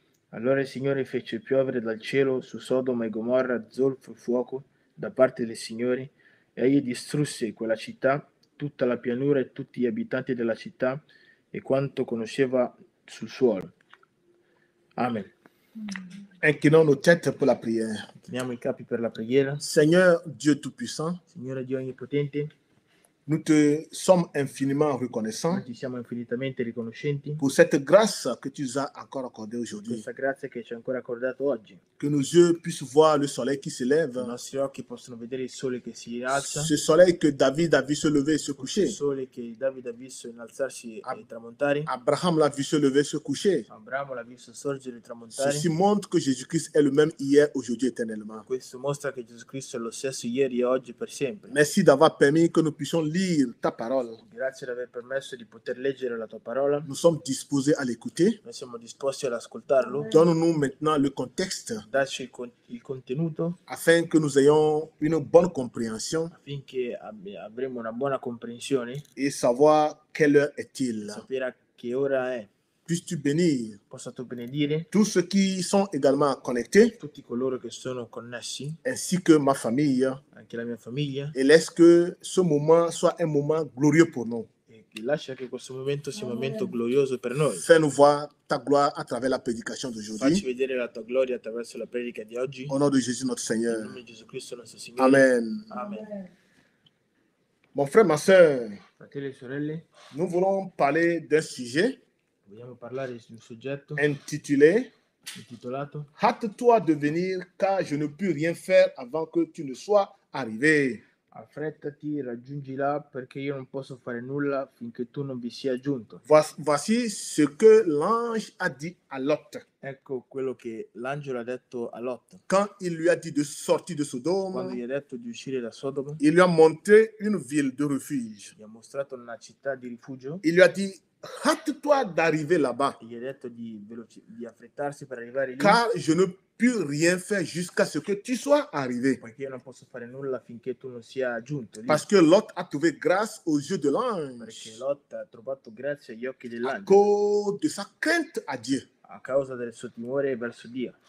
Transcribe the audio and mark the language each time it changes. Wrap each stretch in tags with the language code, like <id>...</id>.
<it>Allora il Signore fece piovere dal cielo su Sodoma e Gomorra zolfo e fuoco da parte del Signore, e egli distrusse quella città, tutta la pianura e tutti gli abitanti della città e quanto conosceva sul suolo. Amen.</it> <fr>Inclinons nos têtes pour la prière.</fr> <it>Teniamo i capi per la preghiera.</it> <fr>Seigneur Dieu Tout-Puissant,</fr> <it>Signore Dio Onnipotente,</it> <fr>nous te sommes infiniment reconnaissants,</fr> <it>ti siamo infinitamente riconoscenti,</it> <fr>pour cette grâce que tu nous as encore accordée aujourd'hui,</fr> <it>questa grazia che ci hai ancora accordato oggi,</it> <fr>que nos yeux puissent voir le soleil qui se lève,</fr> <it>i nostri occhi possono vedere il sole che si alza,</it> <fr>ce soleil que David a vu se lever et se coucher,</fr> <it>il sole che David ha visto innalzarsi e tramontare,</it> <fr>Abraham</fr> <it>l'ha visto</it> <fr>se lever e se coucher,</fr> <it>Abramo l'ha visto sorgere e tramontare,</it> <fr>ceci montre que Jésus-Christ est le même hier, aujourd'hui, éternellement,</fr> <it>questo mostra che Gesù Cristo è lo stesso ieri e oggi per sempre.</it> <fr>Merci d'avoir permis que nous puissions lire lire ta parole.</fr> <it>Grazie d'aver permesso di poter leggere la tua parola.</it> <fr>Nous sommes disposés à l'écouter.</fr> <it>Noi siamo disposti ad ascoltarlo.</it> <fr>Donne-nous maintenant le contexte.</fr> <it>Dacci il contenuto.</it> <fr>Afin que nous ayons une bonne compréhension.</fr> <it>Affinché avremo una buona comprensione.</it> <fr>Et savoir quelle heure est-il.</fr> <it>Sapere a che ora è.</it> <fr>Puisses-tu bénir</fr> <it>possa tu benedire</it> <fr>tous ceux qui sont également connectés,</fr> <it>tutti coloro che sono connessi,</it> <fr>ainsi que ma famille,</fr> <it>anche la mia famiglia,</it> <fr>et laisse que ce moment soit un moment glorieux pour nous.</fr> <it>E lascia che questo momento sia un momento glorioso per noi.</it> <fr>Fais-nous voir ta gloire à travers la prédication d'aujourd'hui.</fr> <it>Facci vedere la tua gloria attraverso la predica di oggi.</it> <fr>Au nom de Jésus notre Seigneur.</fr> <it>In nome di Gesù Cristo nostro Signore.</it> <fr>Amen.</fr> <it>Amen.</it> <fr>Mon frère, ma sœur,</fr> <it>fratelli e sorelle,</it> <fr>nous voulons parler d'un sujet.</fr> <it>Vogliamo parlare di un soggetto</it> <fr>intitolato Hâte-toi de venir car je ne puis rien faire avant que tu ne sois arrivé.</fr> <it>Affrettati, raggiungi là perché io non posso fare nulla finché tu non vi sia giunto.</it> <fr>Voici ce que l'ange a dit à Lot.</fr> <it>Ecco quello che l'angelo ha detto a Lot.</it> <fr>Quand il lui a dit de sortir de Sodome,</fr> <it>quando gli ha detto di uscire da Sodoma,</it> <fr>il lui a montré une ville de refuge.</fr> <it>Gli ha mostrato una città di rifugio.</it> <fr>Il lui a dit hâte-toi d'arriver là-bas.</fr> <it>Il a detto di affrettarsi per arrivare lì.</it> <fr>Car je ne peux rien faire jusqu'à ce que tu sois arrivé.</fr> <it>Perché io non posso fare nulla finché tu non sia giunto lì.</it> <fr>Parce que Lot a trouvé grâce aux yeux de l'ange.</fr> <it>Perché Lot ha trovato grazia agli occhi dell'angelo.</it> <fr>À cause de sa crainte à Dieu.</fr> <it>A causa del suo timore verso Dio.</it>